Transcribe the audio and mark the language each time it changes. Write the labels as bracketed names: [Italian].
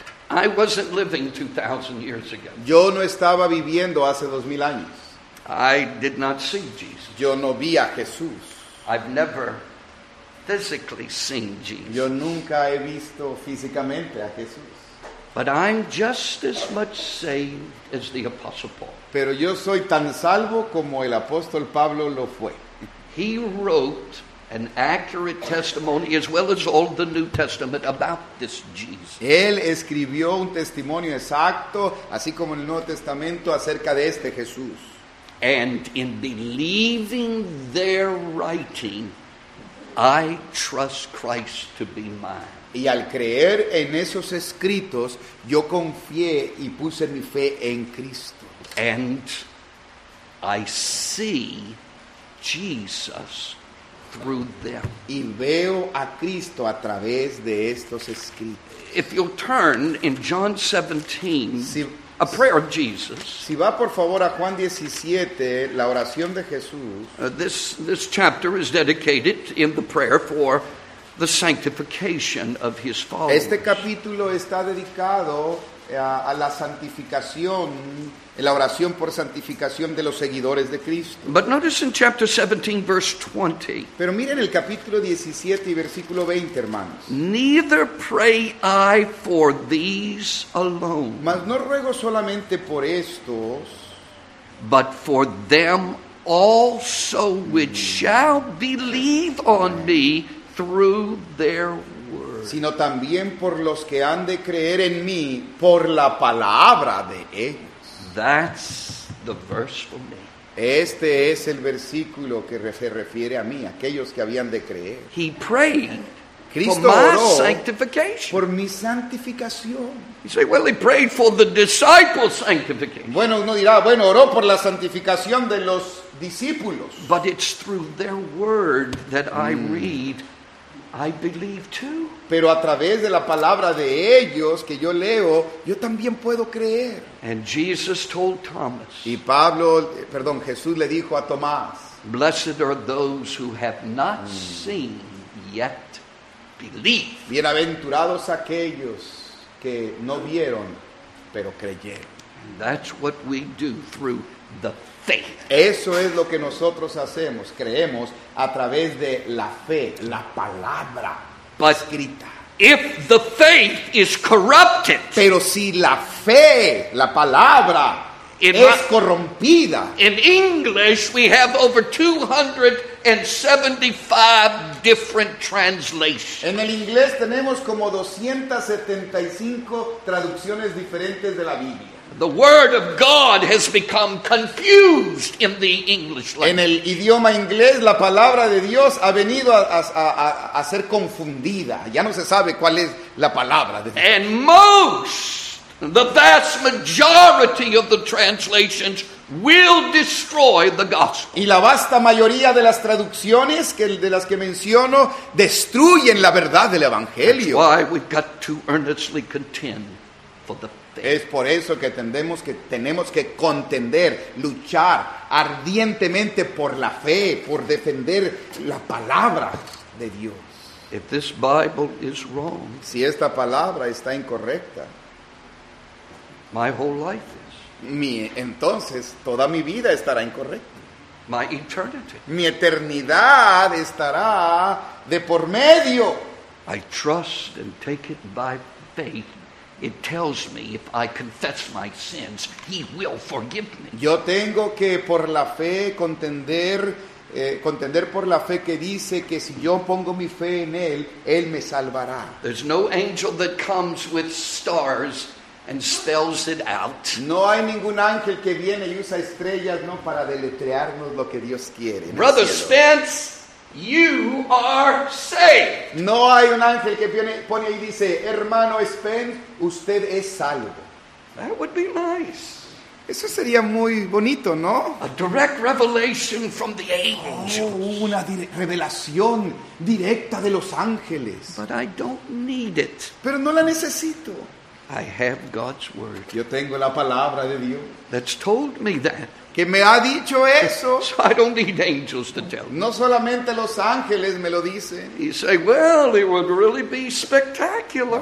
[English] I wasn't living 2,000 years ago. [Spanish] Yo no estaba viviendo hace 2,000 años. [English] I did not see Jesus. [Spanish] Yo no vi a Jesús. [English] I've never physically seen Jesus. [Spanish] Yo nunca he visto físicamente a Jesús. [English] But I'm just as much saved as the Apostle Paul. [Spanish] Pero yo soy tan salvo como el apóstol Pablo lo fue. [English] He wrote an accurate testimony, as well as all the New Testament, about this Jesus. [Spanish] Él escribió un testimonio exacto, así como en el Nuevo Testamento, acerca de este Jesús. [English] And in believing their writing, I trust Christ to be mine. [Spanish] Y al creer en esos escritos, yo confié y puse mi fe en Cristo. [English] And I see Jesus through them. [Spanish] Y veo a Cristo a través de estos escritos. [English] If you'll turn in John 17, a prayer of Jesus. [Spanish] Si va por favor a Juan 17, la oración de Jesús. [English] This chapter is dedicated in the prayer for the sanctification of his followers. [Spanish] Este capítulo está dedicado a la santificación, la oración por santificación de los seguidores de Cristo. [English] But notice in chapter 17, verse 20. [Spanish] Pero miren el capítulo 17 y versículo 20, hermanos. [English] Neither pray I for these alone. [Spanish] Mas no ruego solamente por estos. [English] But for them also which shall believe on me through their word. [Spanish] Sino también por los que han de creer en mí por la palabra de ellos. [English] That's the verse for me. [Spanish] Este es el versículo que se refiere a mí, aquellos que habían de creer. [English] He prayed [Spanish] Cristo [English] for my [Spanish] oró [English] sanctification. [Spanish] Por mi santificación. [English] You say, well, he prayed for the disciples' sanctification. [Spanish] Bueno, uno dirá, bueno, oró por la santificación de los discípulos. [English] But it's through their word that I read, I believe too. [Spanish] Pero a través de la palabra de ellos que yo leo, yo también puedo creer. [English] And Jesus told Thomas. [Spanish] Y Pablo, perdón, Jesús le dijo a Tomás. [English] Blessed are those who have not seen yet believe. [Spanish] Bienaventurados aquellos que no vieron, pero creyeron. [English] And that's what we do through the faith. [Spanish] Eso es lo que nosotros hacemos, creemos a través de la fe, la palabra escrita. [English] If the faith is corrupted, [Spanish] pero si la fe, la palabra, es corrompida. [English] In English, we have over 275 different translations. [Spanish] En el inglés tenemos como 275 traducciones diferentes de la Biblia. [English] The word of God has become confused in the English language. [Spanish] En el idioma inglés, la palabra de Dios ha venido a ser confundida. Ya no se sabe cuál es la palabra de Dios. [English] And the vast majority of the translations will destroy the gospel. [Spanish] Y la vasta mayoría de las traducciones de las que menciono destruyen la verdad del evangelio. [English] That's why we've got to earnestly contend for the. [Spanish] Es por eso que tenemos que contender, luchar ardientemente por la fe, por defender la palabra de Dios. [English] If this Bible is wrong, [Spanish] si esta palabra está incorrecta, [English] my whole life is. [Spanish] Entonces toda mi vida estará incorrecta. [English] My eternity. [Spanish] Mi eternidad estará de por medio. [English] I trust and take it by faith It tells me if I confess my sins, he will forgive me. [Spanish] Yo tengo que por la fe contender por la fe que dice que si yo pongo mi fe en él, él me salvará. [English] There's no angel that comes with stars and spells it out. [Spanish] No hay ningún ángel que viene y usa estrellas, no, para deletrearnos lo que Dios quiere. [English] Brother Spence, you are saved. [Spanish] No hay un ángel que viene, pone y dice, hermano Spence, usted es salvo. [English] That would be nice. [Spanish] Eso sería muy bonito, ¿no? [English] A direct revelation from the angels. [Spanish] Oh, una revelación directa de los ángeles. [English] But I don't need it. [Spanish] Pero no la necesito. [English] I have God's word. [Spanish] Yo tengo la palabra de Dios. [English] That's told me that. [Spanish] Que me ha dicho eso. [English] So I don't need angels to tell me. [Spanish] No solamente los ángeles me lo dicen. [English] You say, well, it would really be spectacular.